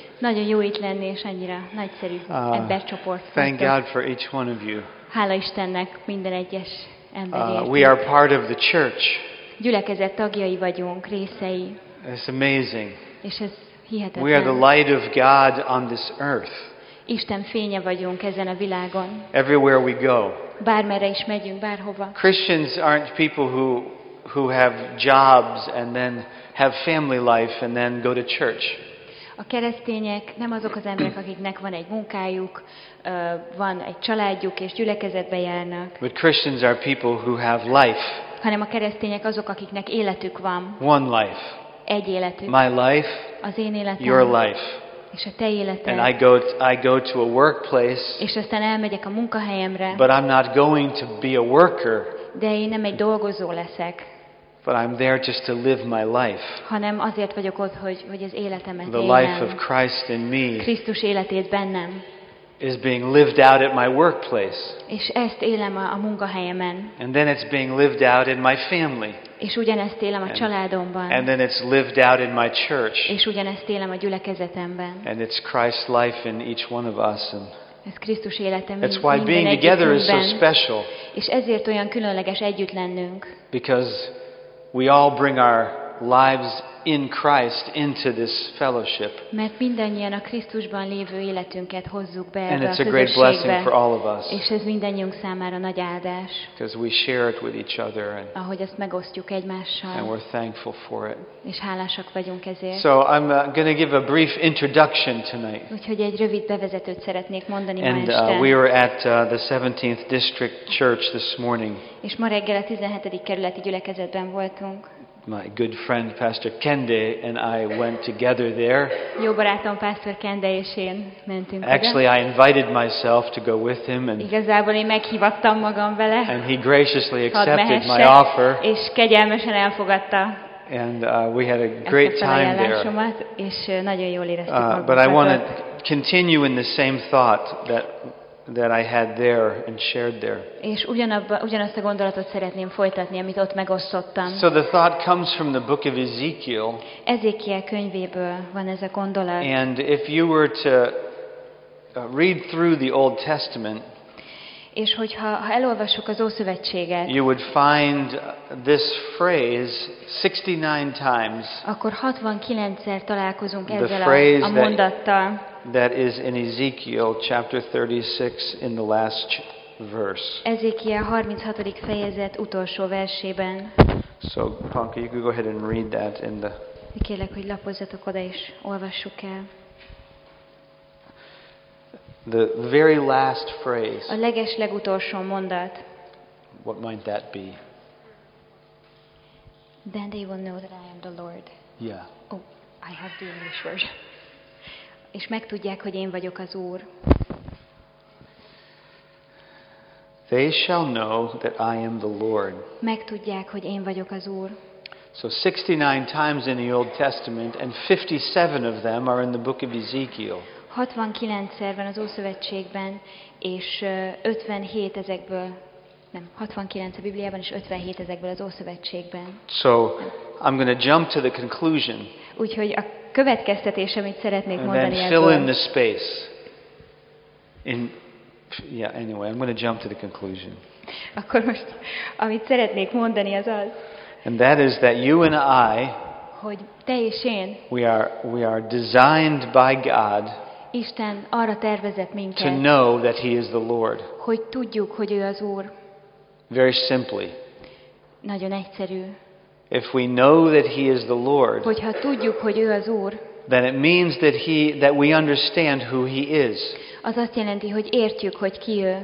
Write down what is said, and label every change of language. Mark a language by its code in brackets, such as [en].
[hu] Nagyon jó itt lenni és annyira nagyszerű embercsoport. [en] Thank God for each one of you. [hu] Hála Istennek minden egyes emberért. [en] We are part of the church. [hu] Gyülekezet tagjai vagyunk, részei. [en] It's amazing. [hu] És ez hihetetlen. [en] We are the light of God on this earth. [hu] Isten fénye vagyunk ezen a világon. [en] Everywhere we go. [hu] Bármerre is megyünk, bárhova. [en] Christians aren't people who have jobs and then have family life and then go to church. [hu] A keresztények nem azok az emberek, akiknek van egy munkájuk, van egy családjuk és gyülekezetbe járnak. [en] But Christians are people who have life. [hu] Hanem a keresztények azok, akiknek életük van. [en] One life. [hu] Egy életünk. [en] My life. [hu] Az én életem. [en] Your life. [hu] És a te életed. [en] And I go to a workplace. [hu] És aztán elmegyek a munkahelyemre. [en] But I'm not going to be a worker. [hu] De én nem egy dolgozó leszek. [en] But I'm there just to live my life. [hu] Hanem azért vagyok ott, hogy az életemet élem. [en] The life of Christ in me. [hu] Krisztus életét bennem. [en] Is being lived out at my workplace. [hu] És ezt élem a munkahelyemen. [en] And then it's being lived out in my family. [hu] És ugyanezt élem a családomban. [en] And then it's lived out in my church. [hu] És ugyanezt élem a gyülekezetemben. [en] And it's Christ's life in each one of us. [hu] Ez Krisztus életem. [en] That's why being together is so special. [hu] És ezért olyan különleges együtt lennünk. [en] Because we all bring our lives in Christ into this fellowship. [hu] Mert mindannyian a Krisztusban lévő életünket hozzuk be. [en] And it's a great blessing for all of us. [hu] És ez mindannyiunk számára nagy áldás. [en] Because we share it with each other and [hu] ahogy ezt megosztjuk egymással. [en] And we're thankful for it. [hu] És hálásak vagyunk ezért. [en] So I'm going to give a brief introduction tonight. [hu] Úgyhogy egy rövid bevezetőt szeretnék mondani ma este. [en] And we were at the 17th District Church this morning. [hu] És ma reggel a 17. kerületi gyülekezetben voltunk. [en] My good friend Pastor Kende and I went together there. [hu] Jó barátom Pastor Kende és én mentünk oda. [en] Actually, I invited myself to go with him and [hu] igazából én meghívattam magam vele. [en] And he graciously accepted my offer. [hu] És kegyelmesen elfogadta. [en] And we had a great time there. [hu] És nagyon jól éreztük magunkat. [en] But I want to continue in the same thought that I had there and shared there. [hu] És ugyanazt a gondolatot szeretném folytatni, amit ott megosztottam. [en] So the thought comes from the book of Ezekiel. [hu] Ezékiel könyvéből van ez a gondolat. [en] And if you were to read through the Old Testament, [hu] és hogyha elolvassuk az Ószövetséget, [en] you would find this phrase 69 times. [hu] Akkor 69-szer találkozunk ezzel a mondattal. [en] That is in Ezekiel chapter 36 in the last verse. [hu] Ezékiel 36. fejezet utolsó versében. [en] So, Panka, you could go ahead and read that in the... [hu] Kérlek, hogy lapozzatok oda és olvassuk el. [en] The very last phrase. [hu] A legeslegutolsó mondat. [en] What might that be? Then they will know that I am the Lord. Yeah. Oh, I have the English version. [hu] És megtudják, hogy én vagyok az Úr. [en] They shall know that I am the Lord. [hu] Megtudják, hogy én vagyok az Úr. [en] So 69 times in the Old Testament and 57 of them are in the book of Ezekiel. [hu] 69-szer van az Ószövetségben és 57 ezekből nem 69 a Bibliában és 57 ezekből az Ószövetségben. [en] So I'm going to jump to the conclusion. [hu] Úgyhogy a következtetés, amit szeretnék [en] and [hu] mondani ebből. [en] Fill in the space. Anyway, I'm going to jump to the conclusion. [hu] Akkor most, amit szeretnék mondani, az az. [en] And that is that you and I, [hu] hogy te és én, [en] we are designed by God, [hu] Isten arra tervezett minket, [en] to know that He is the Lord. [hu] Hogy tudjuk, hogy ő az Úr. [en] Very simply. [hu] Nagyon egyszerű. [en] If we know that He is the Lord, [hu] hogyha tudjuk, hogy ő az Úr, [en] then it means that we understand who He is. [hu] Az azt jelenti, hogy értjük, hogy ki ő.